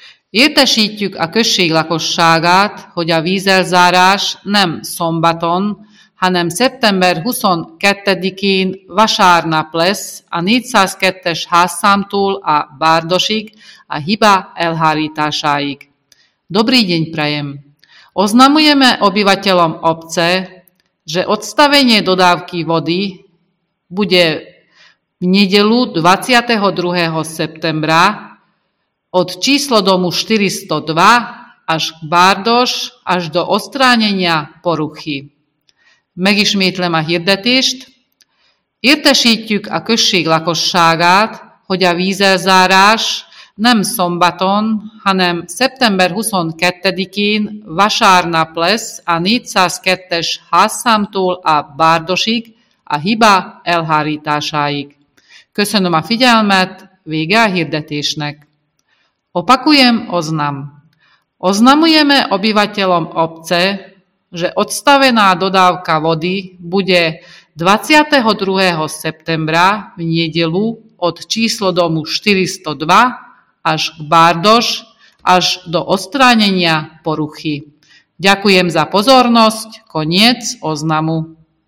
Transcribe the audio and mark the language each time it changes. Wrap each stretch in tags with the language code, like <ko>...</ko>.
<hu>Értesítjük a község lakosságát, hogy a vízelzárás nem szombaton, hanem szeptember 22-én vasárnap lesz a 402-es házszámtól a Bárdosig, a hiba elhárításáig.</hu> <sk>Dobrý deň prajem! Oznamujeme obyvateľom obce, že odstavenie dodávky vody bude v nedeľu 22. septembra od číslo domu 402 až k Bárdos, až do odstránenia poruchy.</sk> <hu>Megismétlem a hirdetést. Értesítjük a község lakosságát, hogy a vízelzárás nem szombaton, hanem szeptember 22-én vasárnap lesz a 402-es házszámtól a Bárdosig, a hiba elhárításáig. Köszönöm a figyelmet, vége a hirdetésnek.</hu> <sk>Opakujem oznam. Oznamujeme obyvateľom obce, že odstavená dodávka vody bude 22. septembra v nedeľu od číslo domu 402 až k Bárdos, až do odstránenia poruchy. Ďakujem za pozornosť. Koniec oznamu.</sk>